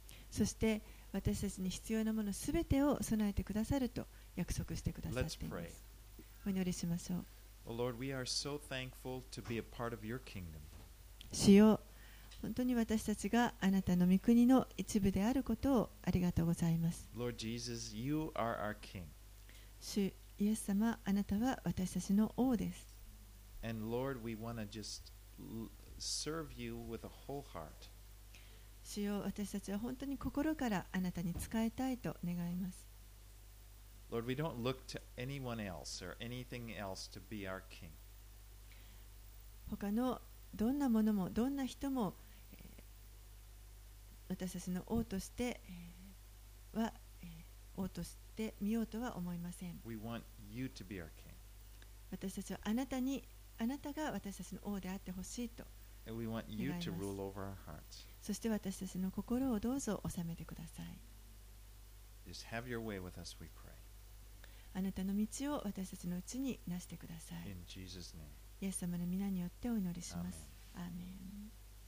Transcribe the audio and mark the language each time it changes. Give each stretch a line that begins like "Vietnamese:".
Japanese: そして私たちに必要なものすべてを備えてくださると約束してくださっています。お祈りしましょう。
English: Oh Lord, we are so thankful to be a part of your kingdom.
Japanese: 主よ、本当に私たちがあなたの御国の一部であることをありがとうございます。
English: Lord Jesus, you are our king.
Japanese: 主イエス様、あなたは私たちの王です。
English: And Lord, we want to just serve you with a whole heart.
Japanese: 主よ、私たちは本当に心からあなたに仕えたいと願います。
English: Lord, we don't look to anyone else or anything else to be our king.
Japanese: 他のどんなものもどんな人も、私たちの王として、は、王として見ようとは思いません。
English: We want you to be our king.
Japanese: 私たちはあなたに、あなたが私たちの王であってほしいと願います。
English: And we want you to rule over our hearts.
Japanese: そして私たちの心をどうぞ治めてください。
English: Just have your way with us, we pray.
Japanese: あなたの道を私たちのうちになしてください。
English: In Jesus' name.
Japanese: イエス様の皆によってお祈りします。アーメン。アーメン。